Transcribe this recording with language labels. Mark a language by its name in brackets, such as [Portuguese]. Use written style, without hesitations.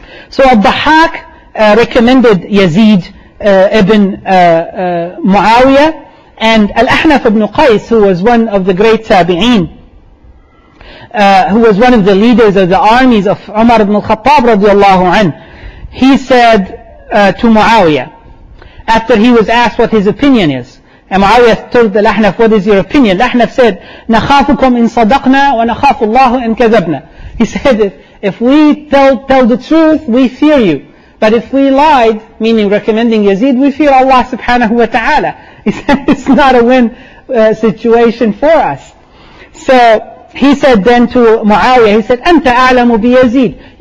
[English] So Al-Dahhak recommended Yazid ibn Muawiyah, and Al-Ahnaf ibn Qais, who was one of the great Tabi'een, who was one of the leaders of the armies of Umar ibn al-Khattab radiallahu anhu, he said to Muawiyah, after he was asked what his opinion is, and Muawiyah told the Al-Ahnaf, what is your opinion? Al-Ahnaf said, [Arabic] نَخَافُكُمْ إِن صَدَقْنَا وَنَخَافُ اللَّهُ إِن كَذَبْنَا. [English] He said, if we tell the truth, we fear you. But if we lied, meaning recommending Yazid, we fear Allah subhanahu wa ta'ala. He said, it's not a win situation for us. So he said then to Muawiyah, he said, [Arabic] أَنْتَ أَعْلَمُ بِيَزِيدِ.